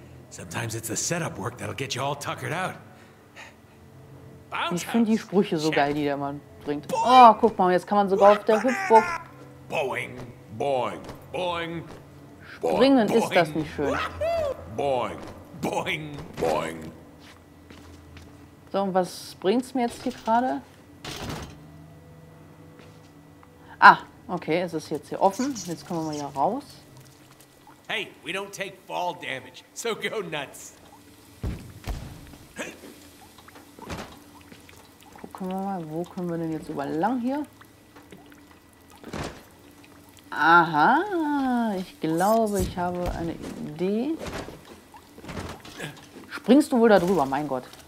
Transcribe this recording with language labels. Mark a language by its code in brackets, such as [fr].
[en] Sometimes it's the setup work that'll get you all tuckered out. [de] Ich finde die Sprüche so geil, die der Mann bringt. Oh, guck mal, jetzt kann man sogar auf der Hüpfburg. Boing, boing, boing. Springen ist das nicht schön. Boing, boing, boing. So, und was bringt's mir jetzt hier gerade? Ah, okay, es ist jetzt hier offen. Jetzt kommen wir mal hier raus. [en] Hey, we don't take fall damage, so go nuts. [de] Gucken wir mal, wo können wir denn jetzt überlang hier? Aha, ich glaube, ich habe eine Idee. Springst du wohl da drüber, mein Gott.